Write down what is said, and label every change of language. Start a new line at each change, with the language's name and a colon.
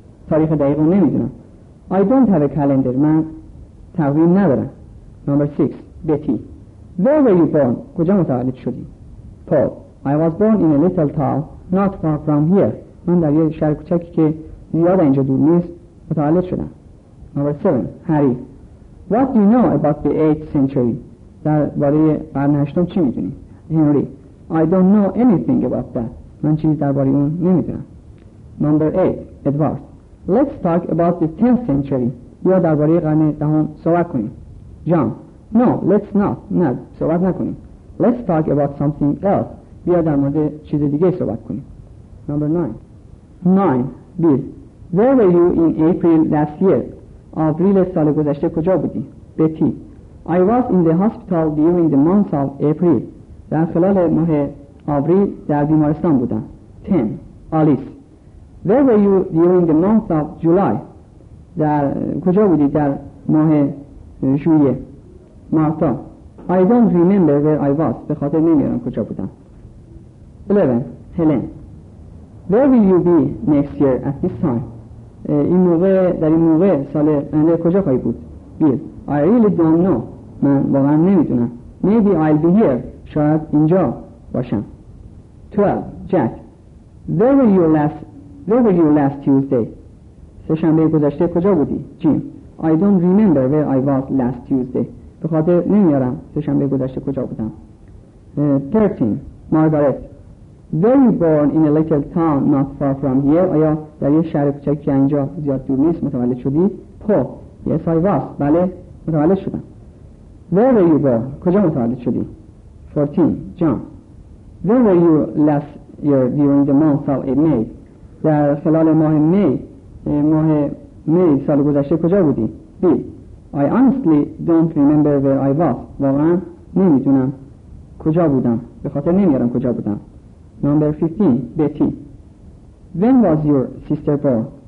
Persian: تاریخ دقیق رو نمیدونم.
English: I don't have a calendar.
Persian: من تقویم ندارم.
English: Number 6. Betty. Where were you born?
Persian: کجا متولد شدی؟
English: Paul. I was born in a little town not far from here.
Persian: من در یه شهر کوچکی که زیاد اینجا دور نیست متولد شدم.
English: Number 7. Harry. What do you know about the 8th century?
Persian: در باره قرن هشتم چی میدونی؟ Henry.
English: I don't know anything about that.
Persian: من چیزی درباره اون نمیدونم.
English: Number 8. Edward. Let's talk about the 10th century.
Persian: بیا درباره قرن دهم صحبت کنیم.
English: John. No, let's not.
Persian: نه، صحبت نکنیم.
English: Let's talk about something else.
Persian: بیا در مورد چیز دیگه صحبت کنیم.
English: Number 9. Bill. Where were you in April last year?
Persian: آوریل سال گذشته کجا بودی؟ Betty.
English: I was in the hospital during the month of April.
Persian: در خلال ماه آوریل در بیمارستان بودم.
English: 10. Alice. Where were you during the month of July?
Persian: در کجا بودی در ماه ژوئیه؟ Martha.
English: I don't remember where I was.
Persian: به خاطر نمیارم کجا بودم.
English: 11. Helen. Where will you be next year at this time?
Persian: این موقع در این موقع سال آینده کجا خواهی بود؟ Bill.
English: I really don't know.
Persian: من واقعا نمیدونم.
English: Maybe I'll be here.
Persian: شاید اینجا باشم. 12. Jack.
English: Where were you last Tuesday?
Persian: سه شنبه گذشته کجا بودی؟ Jim.
English: I don't remember where I was last Tuesday.
Persian: به خاطر نمیارم سه شنبه گذشته کجا بودم.
English: 13. Margaret. Were you born in a little town not far from here?
Persian: آیا در یه شهر کوچک که اینجا زیاد دور نیست متولد شدی؟ Po.
English: Yes, I was.
Persian: بله، متولد شدم.
English: Where were you born?
Persian: کجا متولد شدی؟ 14. John.
English: Where were you last year during the month of May?
Persian: در خلال ماه می، ماه می سال گذشته کجا بودی؟ Bill.
English: I honestly don't remember where I was.
Persian: واقعا نمیدونم کجا بودم. به خاطر نمیارم کجا بودم.
English: Number 15.
Persian: Betty.
English: When was your sister born?